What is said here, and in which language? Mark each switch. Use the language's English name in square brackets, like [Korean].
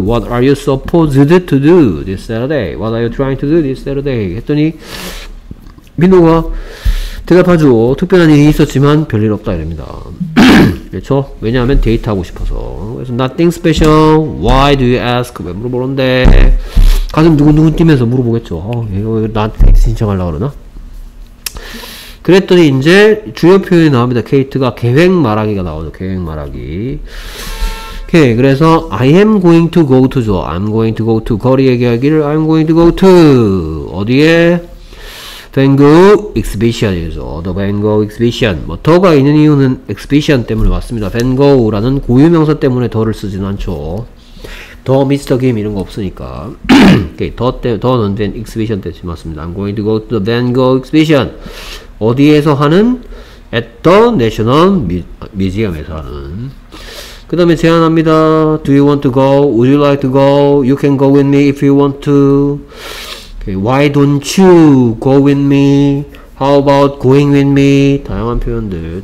[English] What are you supposed to do this Saturday? What are you trying to do this Saturday? [Korean] 했더니 민호가 대답하죠. 특별한 일이 있었지만 별일 없다 이랍니다. 그렇죠? 왜냐하면 데이트하고 싶어서. [English] 그래서 nothing special. Why do you ask? [Korean] 왜 물어보는데? 가슴 두근두근 뛰면서 물어보겠죠. 나한테 신청하려고 그러나? 그랬더니 이제 주요 표현이 나옵니다. 케이트가 계획 말하기가 나오죠. 계획 말하기. 오케이. [English] 그래서 I am going to go to죠. I'm going to go to. [Korean] 거리 얘기하기를 [English] I'm going to go to. [Korean] 어디에? [English] Van Gogh Exhibition이죠. The Van Gogh Exhibition. [Korean] 뭐 더가 있는 이유는 Exhibition 때문에 왔습니다. Van Gogh라는 고유명사 때문에 더를 쓰진 않죠. 더 미스터 김 이런 거 없으니까. 오케이. 더는 Van Exhibition 때 맞습니다. [English] I'm going to go to the Van Gogh Exhibition. [Korean] 어디에서 하는? [English] At the National Museum [Korean] 에서 하는. 그 다음에 제안합니다. [English] Do you want to go? Would you like to go? You can go with me if you want to. Okay. Why don't you go with me? How about going with me? [Korean] 다양한 표현들.